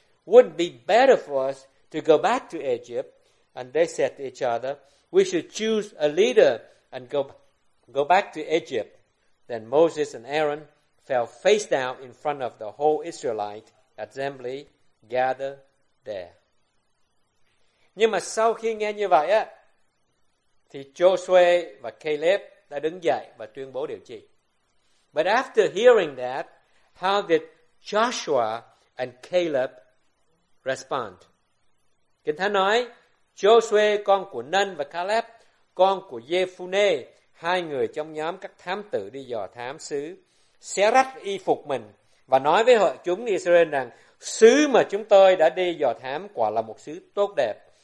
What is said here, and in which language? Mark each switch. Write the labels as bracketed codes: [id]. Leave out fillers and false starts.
[en] Wouldn't it be better for us to go back to Egypt? And they said to each other, we should choose a leader and go back to Egypt. Then Moses and Aaron fell face down in front of the whole Israelite assembly gathered there. [vi] Nhưng mà sau khi nghe như vậy á, thì Joshua và Caleb đã đứng dậy và tuyên bố điều trị. [en] But after hearing that, how did Joshua and Caleb respond? [vi] Kinh Thánh nói, Joshua con của Nun và Caleb, con của Jephune, hai người trong nhóm các thám tử đi dò thám xứ, xé rách y phục mình và nói với hội chúng Israel rằng, xứ mà chúng tôi đã đi dò thám quả là một xứ tốt đẹp.